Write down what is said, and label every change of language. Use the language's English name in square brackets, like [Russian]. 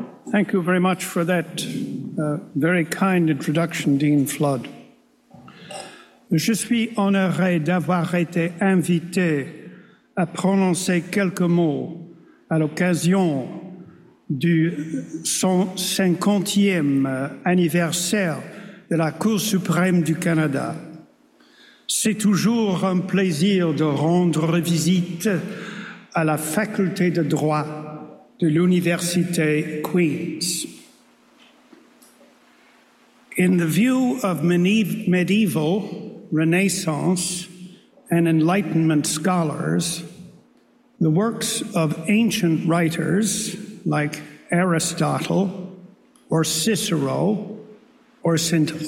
[English] Thank you very much for that very kind introduction, Dean Flood. [French] Je suis honoré d'avoir été invité à prononcer quelques mots à l'occasion du 150e anniversaire de la Cour suprême du Canada. C'est toujours un plaisir de rendre visite à la faculté de droit de l'Université Queen's. [English] In the view of medieval, Renaissance, and Enlightenment scholars, the works of ancient writers like Aristotle, or Cicero, or St.